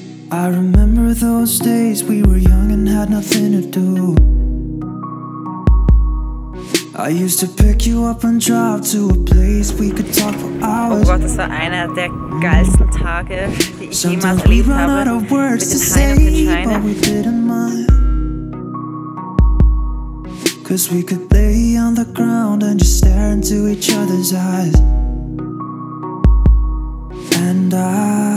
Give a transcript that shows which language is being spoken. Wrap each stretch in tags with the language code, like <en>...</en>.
<en>I remember those days we were young and had nothing to do. I used to pick you up and drive to a place we could talk for hours.</en> <de>Oh Gott, das war einer der geilsten Tage, die ich jemals erlebt habe. Mit den Haien auf den Scheinen.</de> <en>But we didn't mind. 'Cause we could lay on the ground and just stare into each other's eyes. And I</en>